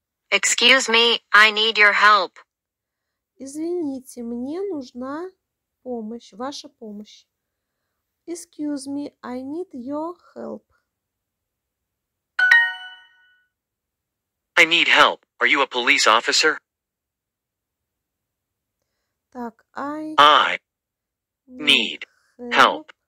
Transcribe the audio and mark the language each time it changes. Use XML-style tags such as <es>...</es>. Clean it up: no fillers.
<en>Excuse me, I need your help.</en> <ru>Извините, мне нужна помощь, ваша помощь.</ru> <en>Excuse me, I need your help. I need help. Are you a police officer?</en> <ru>Так,</ru> <en>I need help.</en>